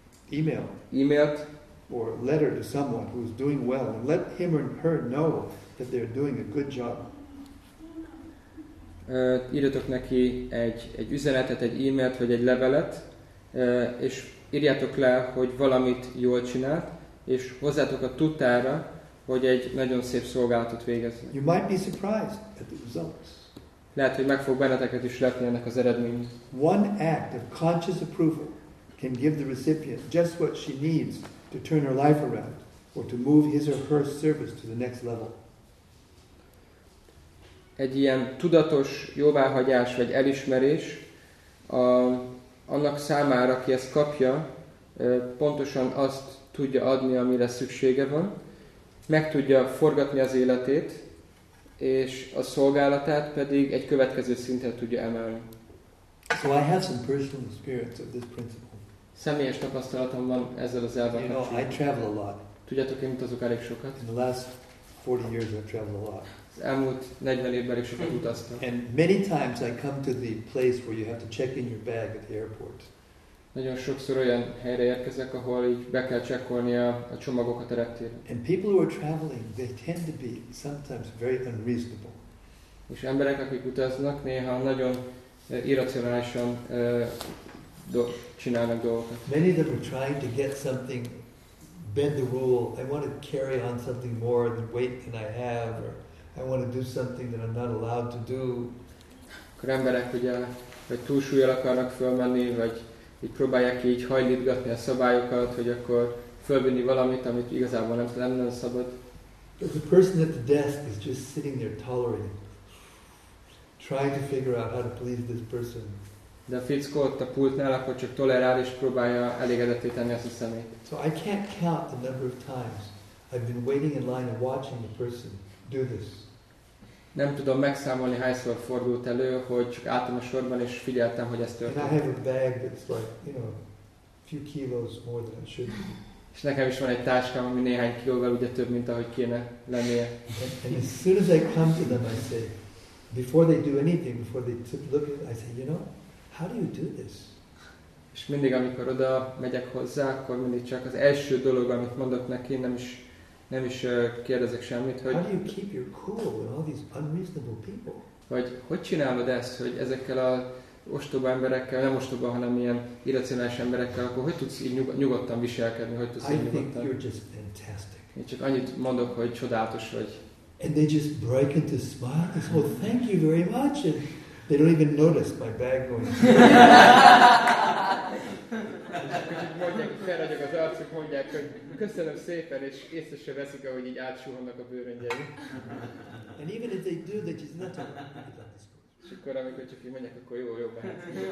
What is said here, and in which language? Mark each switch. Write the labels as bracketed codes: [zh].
[en] Email. [hu] E-mailt. [en] Or letter to someone who is doing well, and let him or her know that they're doing a good job. [hu] Írjatok neki egy üzenetet, egy e-mailt, vagy egy levelet, és írjátok le, hogy valamit jól csinált, és hozzátok a tudtára, hogy egy nagyon szép szolgálatot végeznek. [en] You might be surprised at the results. [hu] Lehet, hogy meg fog benneteket is lepni ennek az eredmény. [en] One act of conscious approval can give the recipient just what she needs to turn her life around or to move his or her service to the next level. [hu] Egy ilyen tudatos jóváhagyás vagy elismerés annak számára, aki ezt kapja, pontosan azt tudja adni, amire szüksége van, meg tudja forgatni az életét, és a szolgálatát pedig egy következő szintre tudja emelni. [en] So I have some personal experience of this principle. [hu] Személyes tapasztalatom van ezzel az elvvel. [en] You know, I travel a lot. [hu] Tudjátok, én utazok elég sokat. [en] In the last 40 years I've traveled a lot. [hu] Az elmúlt 40 évben is sokat utaztam. [en] And many times I come to the place where you have to check in your bag at the airport. [hu] Nagyon sokszor olyan helyre érkezek, ahol így be kell csekkolni a csomagokat a reptéren. [en] And people who are traveling, they tend to be sometimes very unreasonable. [hu] És emberek, akik utaznak, néha nagyon irracionálisan csinálnak dolgokat. [en] Many of them are trying to get something, bend the rule. I want to carry on something more than weight than I have, or I want to do something that I'm not allowed to do. [hu] Akkor emberek ugye, vagy túlsúlyjal akarnak fölmenni, vagy így próbálják így hajlítgatni a szabályokat, hogy akkor fölvinni valamit, amit igazából nem lenne szabad. [en] The person at the desk is just sitting there tolerating, trying to figure out how to please this person. [hu] De a fickó ott a pultnál, akkor csak tolerál és próbálja elégedetté tenni azt a szemét. [en] So I can't count the number of times I've been waiting in line and watching the person do this. [hu] Nem tudom megszámolni, hányszor fordult elő, hogy csak álltam a sorban és figyeltem, hogy ez történt. [en] And I have a bag that's like, you know, few kilos more than it should be. [hu] És nekem is van egy táskám, ami néhány kilóval ugye több, mint ahogy kéne lennie. [en] And as soon as I come to them, I say, before they do anything, before they look at it, I say, you know, how do you do this? [hu] És mindig, amikor oda megyek hozzá, akkor mindig csak az első dolog, amit mondok neki, nem is kérdezek semmit, hogy [en] how do you keep your cool with all these unreasonable people? [hu] Vagy hogy csinálod ezt, hogy ezekkel a ostoba emberekkel, nem ostoba, hanem ilyen irracionális emberekkel, akkor hogy tudsz így nyugodtan viselkedni, hogy tudsz így nyugodtan? [en] I think you're just fantastic. [hu] Én csak annyit mondok, hogy csodálatos vagy. [en] And they just break into smile. They say, oh, thank you very much. And they don't even notice my bag going. [hu] mondják, felragyog az arcuk, mondják, hogy köszönöm szépen, és észre se veszik, ahogy így átsuhannak a bőröngyei. [en] And even if they do, that is not a [hu] és akkor amikor csak így mondják, akkor jó, jó, mehet.